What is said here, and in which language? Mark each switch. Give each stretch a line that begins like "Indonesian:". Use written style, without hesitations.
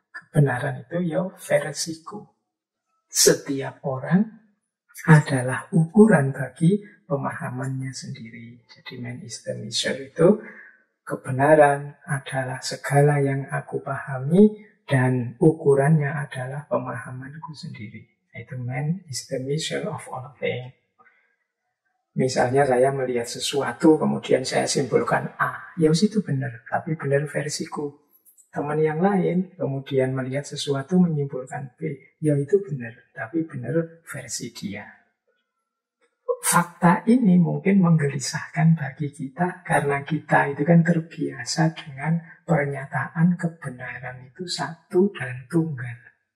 Indonesian: Kebenaran itu ya versiku. Setiap orang adalah ukuran bagi pemahamannya sendiri. Jadi
English: man is the measure
Indonesian: itu kebenaran adalah segala yang aku pahami dan ukurannya adalah pemahamanku sendiri. Itu
English: man is the measure of all things.
Indonesian: Misalnya saya melihat sesuatu kemudian saya simpulkan A. Ya itu benar, tapi benar versiku. Teman yang lain kemudian melihat sesuatu menyimpulkan B. Ya itu benar, tapi benar versi dia. Fakta ini mungkin menggelisahkan bagi kita karena kita itu kan terbiasa dengan pernyataan kebenaran itu satu dan tunggal.